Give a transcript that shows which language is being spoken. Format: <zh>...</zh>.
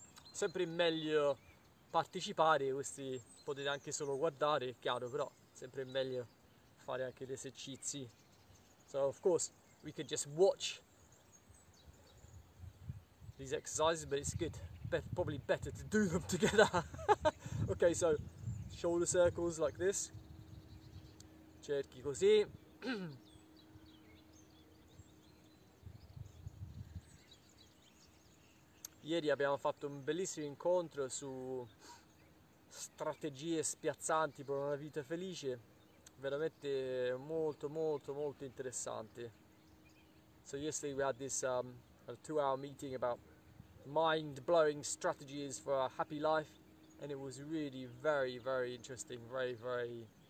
<it>Sempre meglio partecipare, questi potete anche solo guardare, è chiaro, però sempre meglio fare anche gli esercizi.</it> <en>So of course we could just watch these exercises, but it's good. Probably better to do them together. Okay, so shoulder circles like this.</en> <it>Cerchi così. Ieri abbiamo fatto un bellissimo incontro su strategie spiazzanti per una vita felice. Veramente molto, molto, molto interessante.</it> <en>So yesterday we had this a 2-hour meeting about mind-blowing strategies for a happy life, and it was really very, very interesting, very, very</en>